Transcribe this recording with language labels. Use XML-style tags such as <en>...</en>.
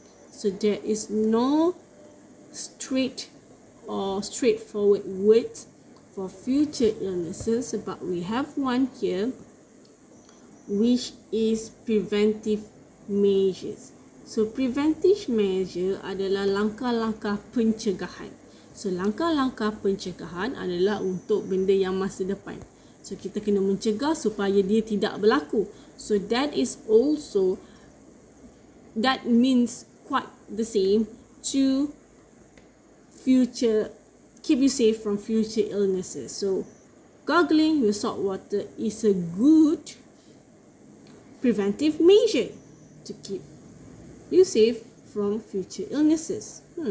<en>So there is no straight or straightforward word for future illnesses, but we have one here, which is preventive measures.</en> <ms>So preventive measure adalah langkah-langkah pencegahan. So langkah-langkah pencegahan adalah untuk benda yang masa depan. So kita kena mencegah supaya dia tidak berlaku.</ms> <en>So that is also, that means quite the same to future, keep you safe from future illnesses. So gargling with salt water is a good preventive measure to keep you safe from future illnesses.</en>